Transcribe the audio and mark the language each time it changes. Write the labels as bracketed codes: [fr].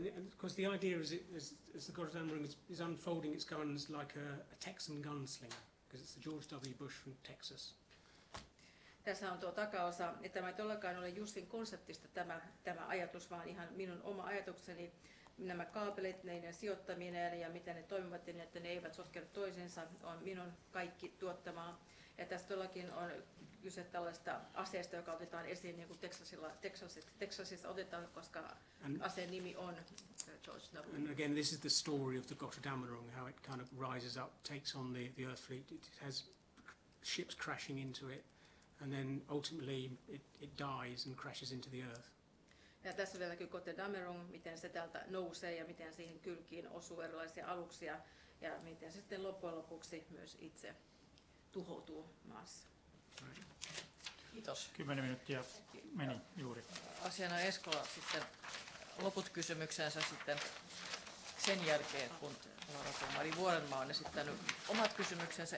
[en] Because the idea is the Gotterdammerung is unfolding its guns like a Texan gunslinger, because it's the George W. Bush from Texas. [fi] tässä on tuo takaosa. Tämä ei todellakaan ole Jussin konseptista tämä ajatus, vaan ihan minun oma ajatukseni. Nämä kaapelit, niiden sijoittaminen ja miten ne toimivat, niin että ne eivät sotkeudu toisensa, on minun kaikki tuottamaa. Ja tässä todellakin on kyse tällaista aseesta, joka otetaan esiin niin kuin Texasissa otetaan, koska aseen nimi on George W. [en] And again, this is the story of the Gotterdammerung, how it kind of rises up, takes on the Earth fleet. It has ships crashing into it, and then ultimately it dies and crashes into the Earth. [fi] Ja tässä vielä näkyy Gotterdammerung, miten se täältä nousee ja miten siihen kylkiin osuu erilaisia aluksia ja miten se sitten loppujen lopuksi myös itse tuhoutuu maassa. Kiitos. 10 minuuttia meni juuri. Asiana Eskola sitten loput kysymyksensä sitten sen jälkeen, kun Mari Vuorenmaa on esittänyt omat kysymyksensä.